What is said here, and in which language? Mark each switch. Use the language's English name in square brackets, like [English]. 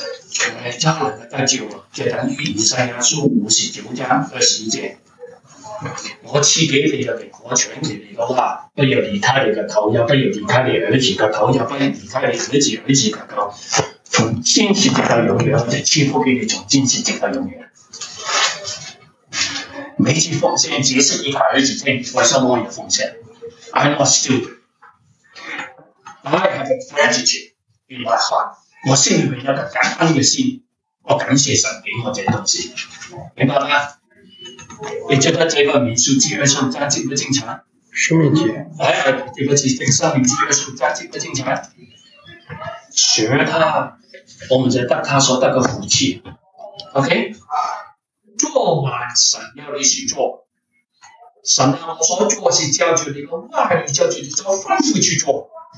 [Chinese] 全家人都得救，就等于以赛亚书五十九章二十节，我赐给你的名，我传给你的话，不要离开你的口，也不要离开你儿子的口，也不要离开你儿子的口。从今时直到永远，我就赐福给你。从今时直到永远，每次奉献只是给他儿子听，为什么我也奉献 ？ [English] I'm not stupid. I have a gratitude in my heart. [Chinese] 我心里面有个感恩的心，我感谢神给我这东西，明白吗？你知道这个民数记二十五章经不经常？生命记。哎，对不起，这个生命记二十五章经不经常？学他，我们在他所得的福气 ，OK， 做完神要你去做，神啊，我所做是叫做你的话语，叫做你做吩咐去做。